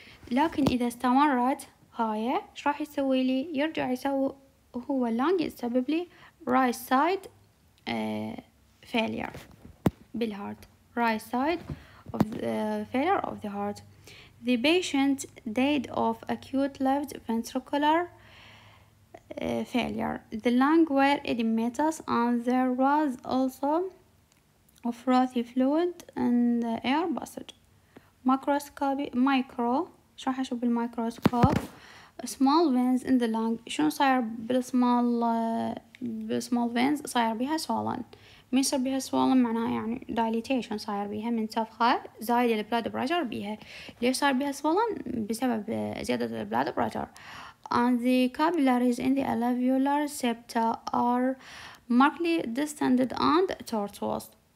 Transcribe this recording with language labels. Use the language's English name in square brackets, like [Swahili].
[Arabic] لكن إذا استمرت هاي إيش راح يسوي لي؟ يرجع يسوي هو اللانج يسبب لي [English] right side failure [Arabic] بالheart. [English] Right side of failure of the heart. The patient died of acute left ventricular failure. The lung were edematous and there was also frothy fluid in the air passage. Microscopy micro. [Arabic] شو راح أشوف بالميكروسكوب؟ [English] Small veins in the lung. [Arabic] شو صاير بالsmall veins؟ صاير بها swollen. من صار بها swollen معناها يعني dilatation صاير بها من تفخة زايد ال blood pressure بها. ليش صار بها swollen؟ بسبب زيادة ال blood pressure. [English] And the capillaries in the alveolar septa are markedly distended and tortuous.